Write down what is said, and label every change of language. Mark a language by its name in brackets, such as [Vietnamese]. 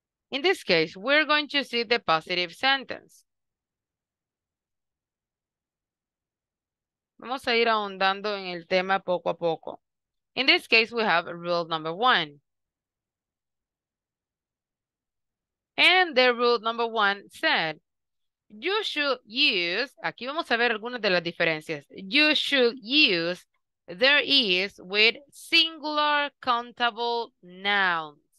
[English] In this case, we're going to see the positive sentence. [Spanish] Vamos a ir ahondando en el tema poco a poco. [English] In this case, we have rule number one. And the rule number one said, you should use, [Spanish] aquí vamos a ver algunas de las diferencias. [English] You should use there is with singular countable nouns.